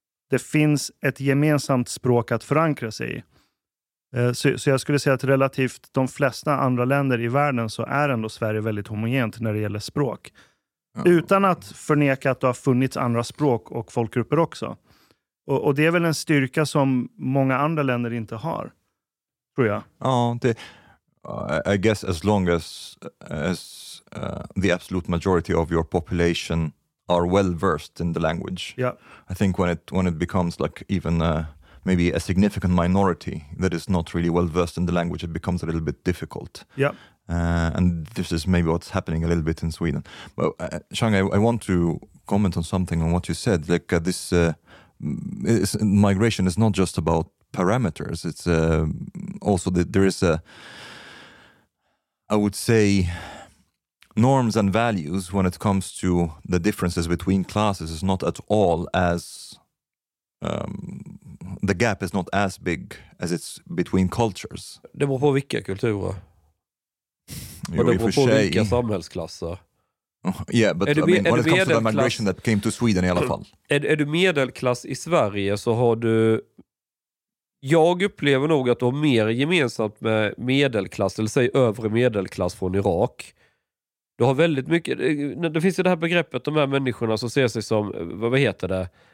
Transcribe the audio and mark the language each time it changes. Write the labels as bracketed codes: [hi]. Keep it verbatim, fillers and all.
[sv] det finns ett gemensamt språk att förankra sig i. Så, så jag skulle säga att relativt de flesta andra länder i världen så är ändå Sverige väldigt homogent när det gäller språk. Mm. Utan att förneka att det har funnits andra språk och folkgrupper också. Och, och det är väl en styrka som många andra länder inte har, tror jag. Ja, det, [en] uh, I guess as long as, as uh, the absolute majority of your population are well versed in the language. Yeah. I think when it, when it becomes like even... Uh, maybe a significant minority that is not really well versed in the language, it becomes a little bit difficult. Yeah, uh, and this is maybe what's happening a little bit in Sweden. But uh, Shang, I, I want to comment on something on what you said. Like uh, this uh, is, migration is not just about parameters. It's uh, also that there is a, I would say, norms and values when it comes to the differences between classes is not at all as. Um, the gap is not as big as it's between cultures. [sv] Det beror på vilka kulturer. Jo, och det beror på vilka samhällsklasser. [en] Oh, yeah, but I mean, when it comes to the migration that came to Sweden [sv] i alla fall. Är, är du medelklass i Sverige så har du... Jag upplever nog att du har mer gemensamt med medelklass, eller säg övre medelklass från Irak. Du har väldigt mycket... Det finns ju det här begreppet, de här människorna som ser sig som... Vad heter det?